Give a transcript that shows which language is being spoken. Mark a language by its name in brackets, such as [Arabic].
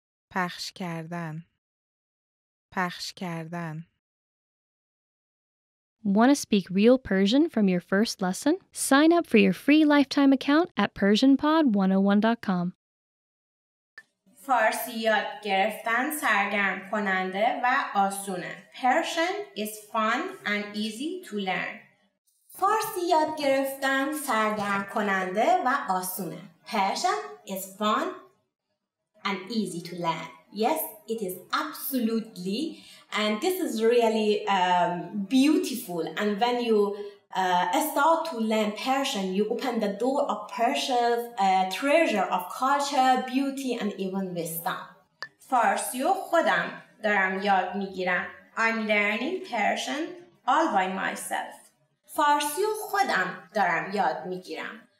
[Persian] پخش کردن. پخش کردن. [English] Want to speak real Persian from your first lesson? Sign up for your free lifetime account at PersianPod101.com. [Persian] فارسی یاد گرفتن سرگرم کننده و آسونه. [English] Persian is fun and easy to learn. [Persian] فارسی یاد گرفتن سرگرم کننده و آسونه. [English] Persian is fun and easy to learn. Yes, it is absolutely. And this is really beautiful. And when you start to learn Persian, you open the door of Persia's treasure of culture, beauty, and even wisdom. [Persian] فارسی و خودم دارم یاد میگیرم. [English] I'm learning Persian all by myself. [Persian] فارسی و خودم دارم یاد میگیرم.